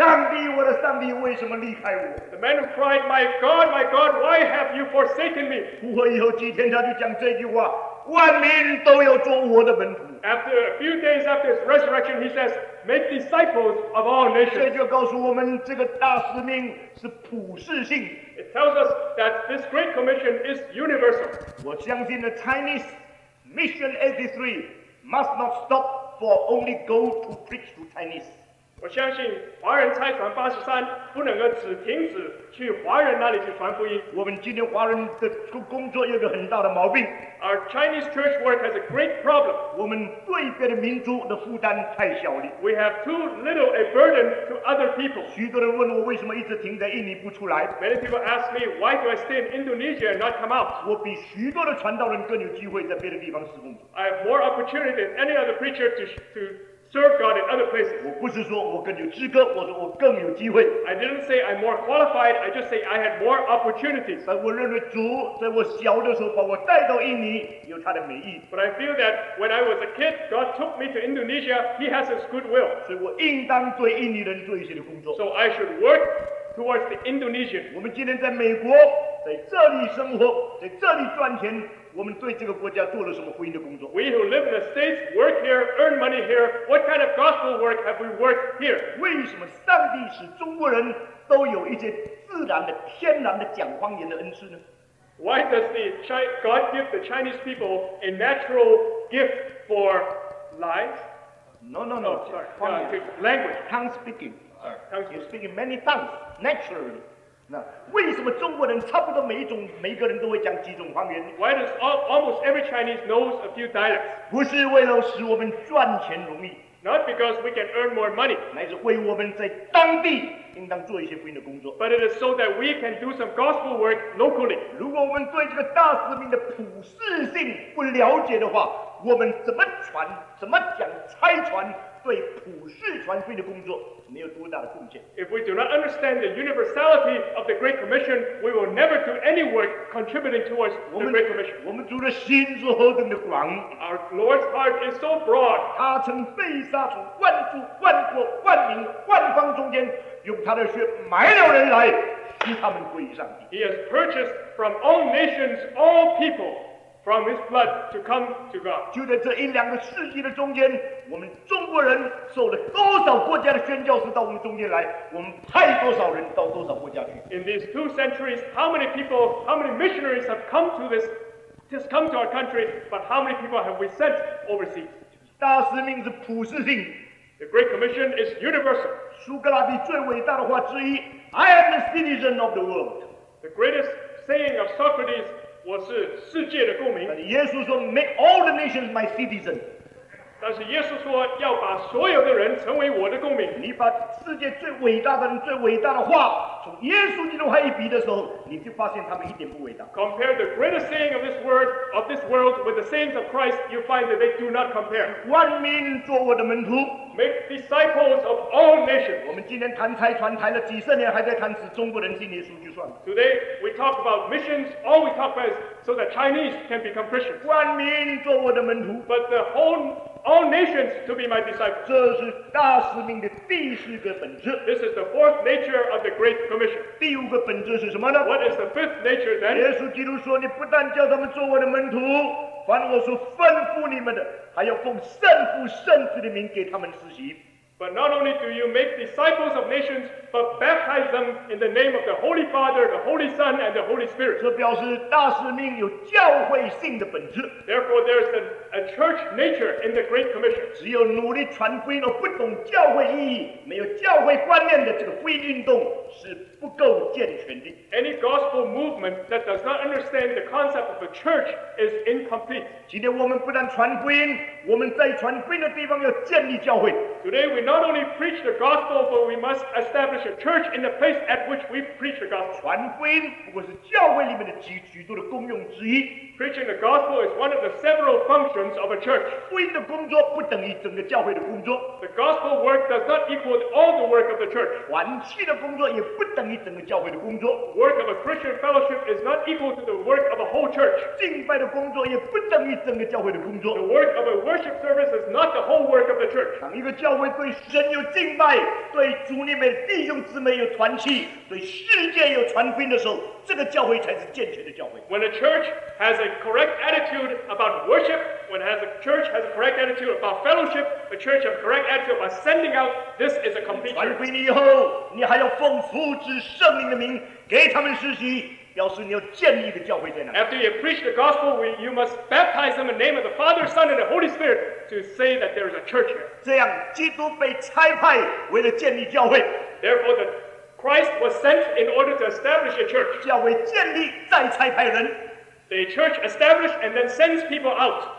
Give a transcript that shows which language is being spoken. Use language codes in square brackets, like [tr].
[zh] 我的上帝，我的上帝，为什么离开我？ [en] The man who cried, "My God, my God, why have you forsaken me?" [zh] 复活以后几天，他就讲这句话：万民都要做我的门徒。 [en] After a few days after his resurrection, he says, "Make disciples of all nations." [zh] 这就告诉我们，这个大使命是普世性。 [en] It tells us that this great commission is universal. [zh] 我相信 [en] the Chinese Mission 83 must not stop for only go to preach to Chinese. [zh] 我相信华人财团83不能够只停止去华人那里去传福音。我们今天华人的工作有个很大的毛病。 [en] Our Chinese church work has a great problem. [zh] 我们对别的民族的负担太小了。 [en] We have too little a burden to other people. [zh] 许多人问我为什么一直停在印尼不出来。 [en] Many people ask me, why do I stay in Indonesia and not come out? [zh] 我比许多的传道人更有机会在别的地方施工。 [en] I have more opportunity than any other preacher to serve God in other places. [zh] 我不是说我更有资格，我说我更有机会。 [en] I didn't say I'm more qualified. I just say I had more opportunities. [zh] 但我认为主在我小的时候把我带到印尼，有他的美意。 [en] But I feel that when I was a kid, God took me to Indonesia. He has His good will. [zh] 所以我应当对印尼人做一些的工作。 [en] So I should work towards the Indonesian. [zh] 我们今天在美国，在这里生活，在这里赚钱。我们对这个国家做了什么福音的工作 [en] ？We who live in the States, work here, earn money here. What kind of gospel work have we worked here? [zh] 为什么上帝使中国人都有一些自然的、天然的讲方言的恩赐呢 [en] ？Why does the God give the Chinese people a natural gift for lies? No, sorry, language, tongue speaking. You're speaking many tongues naturally. [zh] 为什么中国人差不多每个人都会讲几种方言 [en] ？Why does almost every Chinese knows a few dialects？ [zh] 不是为了使我们赚钱容易 [en] ，Not because we can earn more money， [zh] 乃是为我们在当地应当做一些福音的工作。 [en] But it is so that we can do some gospel work locally。 [zh] 如果我们对这个大使命的普世性不了解的话，我们怎么传、怎么讲、拆传？对普世传福音的工作没有多大的贡献。 [en] If we do not understand the universality of the Great Commission, we will never do any work contributing towards the Great Commission. [zh] 我们主的心是何等的广。 [en] Our Lord's heart is so broad. [zh] 他曾被杀从万族、万国、万民、万方中间，用他的血买了人来，使他们归于上帝。 [en] He has purchased from all nations, all people. From His blood to come to God. [zh] 就在这一两个世纪的中间，我们中国人受了多少国家的宣教士到我们中间来，我们派多少人到多少国家去。 [en] In these two centuries, how many people, how many missionaries have come to this, just come to our country, but how many people have we sent overseas? [zh] 大使命是普世性。 [en] The Great Commission is universal. [zh] 苏格拉底最伟大的话之一 [en] ，I am the citizen of the world. The greatest saying of Socrates. [zh] 我是世界的公民。但耶稣说 [en] ，Make all the nations my citizen。 [zh] 但是耶稣说要把所有的人成为我的公民。你把世界最伟大的人、最伟大的话，从耶稣基督那一笔的时候，你就发现他们一点不伟大。 [en] Compare the greatest saying of this word of this world with the sayings of Christ, you find that they do not compare。 [zh] 万民做我的门徒。 [en] Make disciples of all nations。 [zh] 我们今天谈财团谈了几十年，还在谈使中国人信耶稣就算了。 [en] Today we talk about missions. All we talk about is so that Chinese can become Christian。 [zh] 万民做我的门徒。 [en] But the whole all nations to be my disciples。 [zh] 这是大使命的第四个本质。 [en] This is the fourth nature of the Great Commission。 [zh] 第五个本质是什么呢 [en] ？What is the fifth nature then？ [zh] 耶稣基督说：“你不但叫他们做我的门徒。” 凡我所吩咐你们的，还要奉圣父、圣子的名给他们施洗。 [en] But not only do you make disciples of nations, but baptize them in the name of the Holy Father, the Holy Son, and the Holy Spirit. [zh] 这表示大使命有教会性的本质。 [en] Therefore, there is a church nature in the Great Commission. [zh] 只有努力传福音而不懂教会意义，没有教会观念的这个福音运动是不够健全的。 [en] Any gospel movement that does not understand the concept of a church is incomplete. [zh] 今天我们不但传福音，我们在传福音的地方要建立教会。 [en] Today we not only preach the gospel, but we must establish a church in the place at which we preach the gospel. [zh] 传福音不过是教会里面的许多的功用之一。 [en] Preaching the gospel is one of the several functions of a church. [zh] 福音的工作不等于整个教会的工作。 [en] The gospel work does not equal all the work of the church. [zh] 团契的工作也不等于整个教会的工作。 [en] The work of a Christian fellowship is not equal to the work of a whole church. [zh] 敬拜的工作也不等于整个教会的工作。 [en] The work of a worship service is not the whole work of the church. [zh] 当一个教会对神有敬拜，对主里面弟兄姊妹有团契，对世界有传福音的时候，这个教会才是健全的教会。 [en] When a church has a correct attitude about worship, when a church has a correct attitude about fellowship, a church has a correct attitude about sending out, this is a complete church. [zh] 传福音以后，你还要奉父子圣灵的名给他们施洗。表示你要建立的教会在哪 [en] ？After you preach the gospel, you must baptize them in the name of the Father, Son, and the Holy Spirit to say that there is a church here. [zh] 这样，基督被差派为了建立教会。 [en] Therefore, the Christ was sent in order to establish a church. [zh] 教会建立，再差派人。 [en] The church establishes and then sends people out.